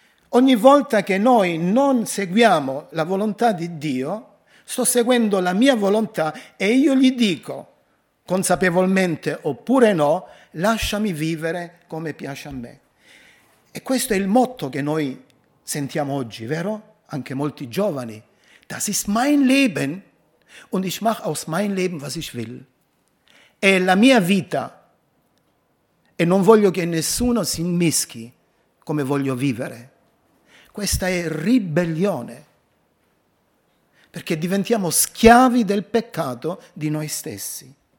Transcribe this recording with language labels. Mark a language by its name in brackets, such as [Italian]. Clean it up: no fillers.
[Italian] Ogni volta che noi non seguiamo la volontà di Dio, sto seguendo la mia volontà, e io gli dico, consapevolmente oppure no, lasciami vivere come piace a me. E questo è il motto che noi sentiamo oggi, vero? Anche molti giovani. [German] Das ist mein Leben und ich mache aus mein Leben was ich will. [Italian] È la mia vita e non voglio che nessuno si immischi come voglio vivere. Questa è ribellione, perché diventiamo schiavi del peccato di noi stessi.